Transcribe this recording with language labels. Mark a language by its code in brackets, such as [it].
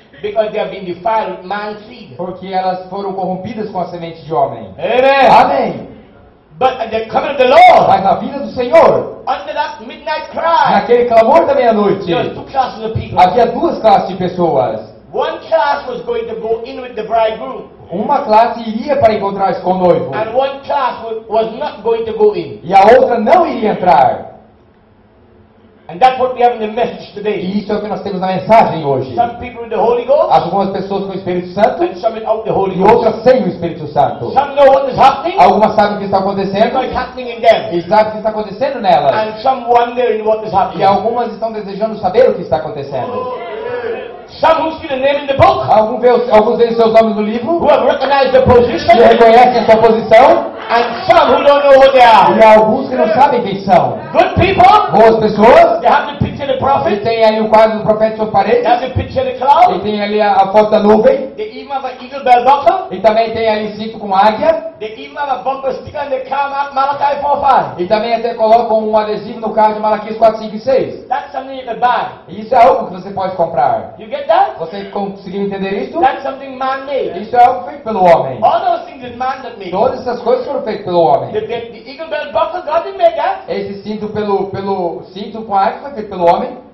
[en] Because they have been defiled with man's seed. [pt] Porque elas foram corrompidas com a semente de homem. [en] Amen. [pt] Amém. [en] But at the coming of the Lord. [pt] Mas na vinda do Senhor. [en] Under that midnight cry. [pt] Naquele clamor da meia-noite. Havia duas classes de pessoas. [en] One class was going to go in with the bridegroom. [pt] Uma classe iria para encontrar-se com o noivo. [en] And one class was not going to go in. [pt] E a outra não iria entrar. [en] And that's what we have in the message today. [pt] E isso é o que nós temos na mensagem hoje. [en] Some people with the Holy Ghost. [pt] Algumas pessoas com o Espírito Santo. [en] And some without the Holy Ghost. [pt] E outras sem o Espírito Santo. [en] Some know what is happening. [pt] Algumas sabem o que está acontecendo. [en] It's happening in them. [pt] E sabem o que está acontecendo nelas. [en] And some wondering what is happening. [pt] E algumas estão desejando saber o que está acontecendo. [en] Some who see the name in the book. [pt] Alguns veem seus nomes no livro. [en] Who have recognized the position. [pt] E reconhecem a sua posição. [en] And some who don't know who they are. [pt] E alguns que não sabem quem são. [en] Good people. [pt] Boas pessoas. [en] They have the picture of the prophet. [pt] E tem aí um quadro do profeta sobre a parede. [en] They have the picture of the cloud. [pt] E tem ali a foto da nuvem. [en] They even have an eagle bell buckle. [pt] E também tem ali cinto com águia. [en] They even have a bumper sticker on the car Malachi 4:5. [pt] E também até colocam um adesivo no carro de Malaquias 4:5-6. [en] That's something you can buy. [pt] Isso é algo que você pode comprar. [en] You get that? [pt] Você conseguiu entender isso? [en] That's something man made. [pt] Isso é algo feito pelo homem. [en] All those things that man made. [pt] Todas essas coisas foram feitas pelo homem. [en] The eagle bell buckle, God didn't make that. [pt] Esse cinto pelo cinto com águia foi feito pelo homem.